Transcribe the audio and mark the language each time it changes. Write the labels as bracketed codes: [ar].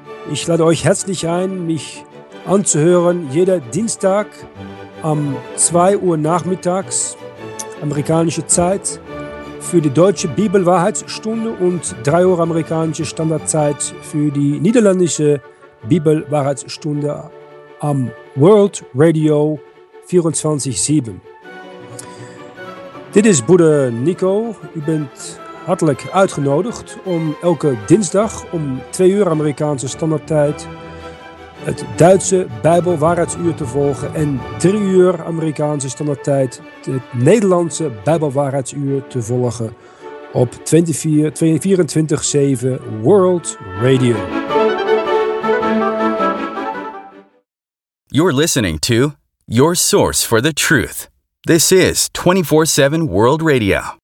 [de] Ich lade euch herzlich ein, mich anzuhören jeder Dienstag um 2 Uhr nachmittags, amerikanische Zeit, für die deutsche Bibelwahrheitsstunde und 3 Uhr amerikanische Standardzeit für die niederländische Bibelwahrheitsstunde am World Radio 24/7. [nl] Dit is Broeder Nico. U bent hartelijk uitgenodigd om elke dinsdag om 2 uur Amerikaanse standaardtijd het Duitse Bijbelwaarheidsuur te volgen en 3 uur Amerikaanse standaardtijd het Nederlandse Bijbelwaarheidsuur te volgen op 24/7 World Radio. [en] You're listening to your source for the truth. This is 24/7 World Radio.